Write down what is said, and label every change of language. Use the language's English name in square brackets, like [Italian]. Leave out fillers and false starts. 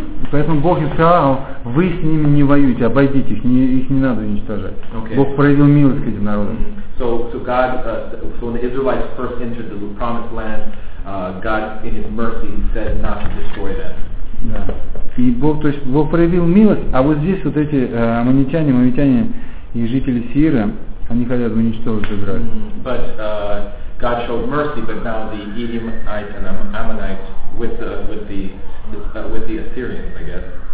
[Russian] Поэтому Бог и сказал, вы с ними не воюйте, обойдите их, их не надо уничтожать. [English] Okay. [Russian] Бог проявил милость к этим народам. Mm-hmm. [English] So when the Israelites first entered the promised land, God in his mercy said not to destroy them. [Russian] Да. И Бог, то есть Бог проявил милость, а вот здесь вот эти аммонитяне, моавитяне и жители Сеира, они хотят уничтожить Израиль. Mm-hmm. [English] But God showed mercy, but now the Edomites and Ammonites with the Assyrians, I guess.